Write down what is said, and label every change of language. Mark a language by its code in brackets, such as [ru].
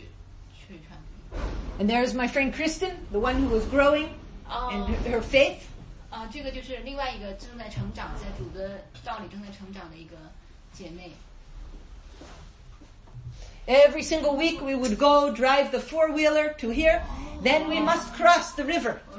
[en] And there is my friend Kristen, the one who was growing and her faith. [zh] 这个就是另外一个正在成长，在主的道理正在成长的一个姐妹。 [en] Every single week we would go drive the 4-wheeler to here, then we must cross the river.